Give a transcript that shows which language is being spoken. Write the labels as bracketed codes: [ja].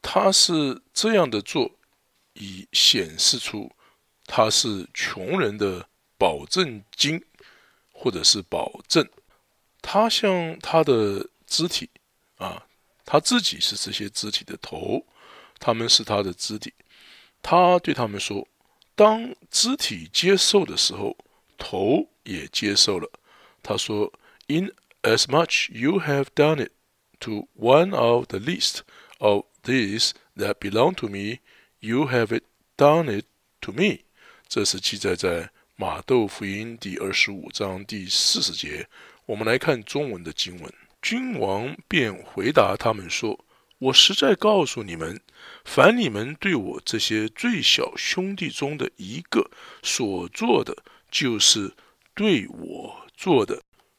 [zh] 他是这样的做，以显示出他是穷人的保证金，或者是保证。他像他的肢体，他自己是这些肢体的头，他们是他的肢体。他对他们说：“当肢体接受的时候，头也接受了。 [en] 他说 ：“In as much you have done it to one of the least of these that belong to me, you have it done it to me。” [zh] 这是记载在马窦福音第25章第40节。我们来看中文的经文。君王便回答他们说：“我实在告诉你们，凡你们对我这些最小兄弟中的一个所做的，就是对我做的。”